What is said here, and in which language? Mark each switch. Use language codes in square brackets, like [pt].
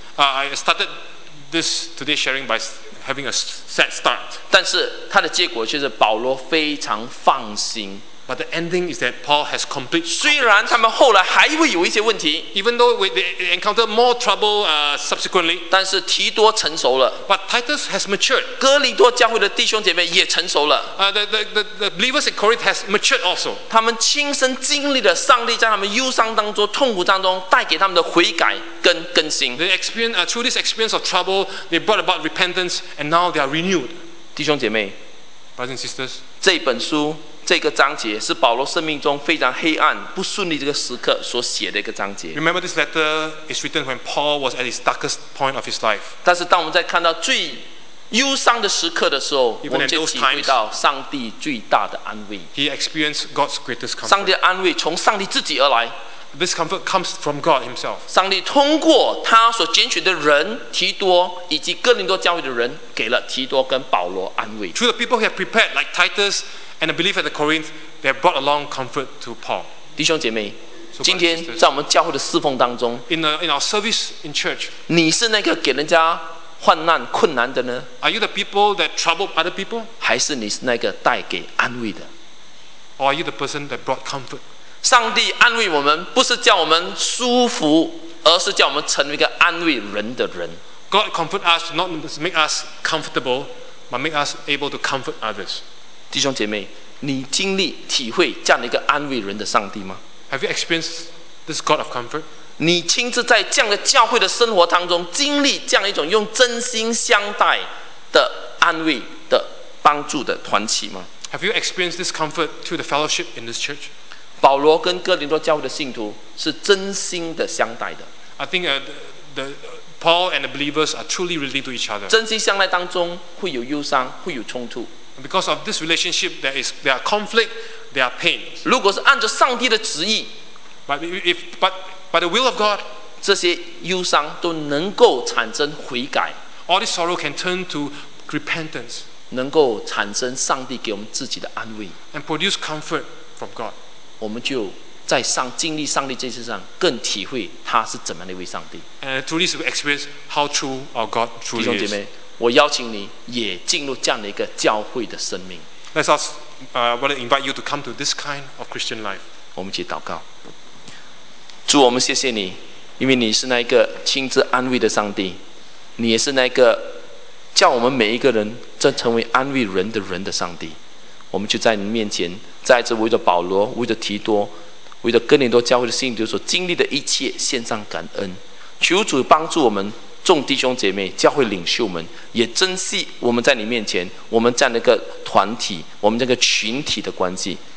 [en] I started this today sharing by having a sad start. [zh] 但是它的结果就是保罗非常放心。 [en] But the ending is that Paul has complete. [zh] 虽然他们后来还会有一些问题 [en] ，even though they encounter more trouble subsequently. [zh] 但是提多成熟了。 [en] But Titus has matured. [zh] 哥林多教会的弟兄姐妹也成熟了。 [en] The believers in Corinth has matured also. [zh] 他们亲身经历了上帝在他们忧伤当中、痛苦当中带给他们的悔改跟更新。 [en] They experience through this experience of trouble, they brought about repentance, and now they are renewed. [zh] 弟兄姐妹 [en] ，brothers and sisters, [zh] 这本书。这个章节是保罗生命中非常黑暗、不顺利这个时刻所写的一个章节。 [en] Remember, this letter is written when Paul was at his darkest point of his life. [zh] 但是，当我们在看到最忧伤的时刻的时候，我们就体会到上帝最大的安慰。 [en] He experienced God's greatest comfort. [zh] 上帝的安慰从上帝自己而来。 [en] This comfort comes from God Himself. [zh] 上帝通过他所拣选的人提多以及哥林多教会的人，给了提多跟保罗安慰。 [en] Through the people he had prepared, like Titus and the believers at the Corinth, they brought along comfort to Paul. [zh] 弟兄姐妹，今天在我们教会的侍奉当中 [en] ，in our service in church, [zh] 你是那个给人家患难困难的呢 [en] ？Are you the people that trouble other people? [zh] 还是你是那个带给安慰的 [en] ？Or are you the person that brought comfort? [zh] 上帝安慰我们，不是叫我们舒服，而是叫我们成为一个安慰人的人。 [en] God comfort us, not make us comfortable, but make us able to comfort others. [zh] 弟兄姐妹，你经历体会这样的一个安慰人的上帝吗 [en] ？Have you experienced this God of comfort? [zh] 你亲自在这样的教会的生活当中，经历这样一种用真心相待的安慰的帮助的团契吗 [en] ？Have you experienced this comfort through the fellowship in this church? [zh] 保罗跟哥林多教会的信徒是真心的相待的。 [en] I think the Paul and the believers are truly related to each other. [zh] 真心相待当中会有忧伤，会有冲突。 [en] Because of this relationship, there are conflict, there are pain. [zh] 如果是按照上帝的旨意 [en] ，but by the will of God, [zh] 这些忧伤都能够产生悔改。 [en] All this sorrow can turn to repentance. [zh] 能够产生上帝给我们自己的安慰 [en] ，and produce comfort from God. [zh] 我们就在上经历上帝这些上，更体会他是怎么样的一位上帝。 [en] To this we experience how true our God truly is. [zh] 弟兄姐妹，我邀请你也进入这样的一个教会的生命。 [en] Let's ask, want to invite you to come to this kind of Christian life. [zh] 我们一起祷告。主，我们谢谢你，因为你是那个亲自安慰的上帝，你也是那个叫我们每一个人正成为安慰人的人的上帝。我们就在你面前。再次为着保罗，为着提多，为着哥林多教会的信徒所经历的一切献上感恩，求主帮助我们众弟兄姐妹教会领袖们也珍惜我们在你面前我们这样的一个团体，我们这个群体的关系。